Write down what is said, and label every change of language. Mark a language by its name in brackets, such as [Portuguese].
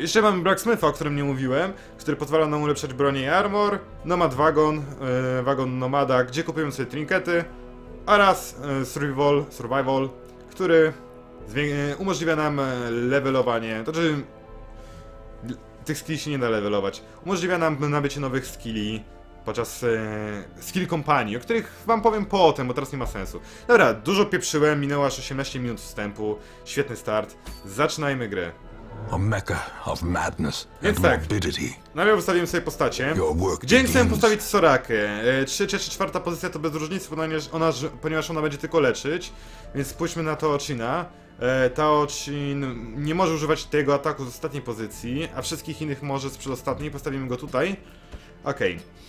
[Polish] Jeszcze mam Blacksmitha, o którym nie mówiłem, który pozwala nam ulepszać bronię i armor, Nomad Wagon, wagon Nomada, gdzie kupujemy sobie trinkety, oraz Survival, który umożliwia nam levelowanie, to znaczy... Tych skilli się nie da levelować. Umożliwia nam nabycie nowych skilli podczas skill kompanii, o których wam powiem potem, bo teraz nie ma sensu. Dobra, dużo pieprzyłem, minęło aż 18 minut wstępu. Świetny start. Zaczynajmy grę. [English] A mecca of madness and morbidity. [Polish] Najpierw ustawimy sobie postacie. Gdzie chcemy postawić Sorakę? Trzecia czy czwarta pozycja to bez różnicy, ponieważ ona będzie tylko leczyć. Więc spójrzmy na Taocina. Taocin nie może używać tego ataku z ostatniej pozycji, a wszystkich innych może z przedostatniej. Postawimy go tutaj. Okej.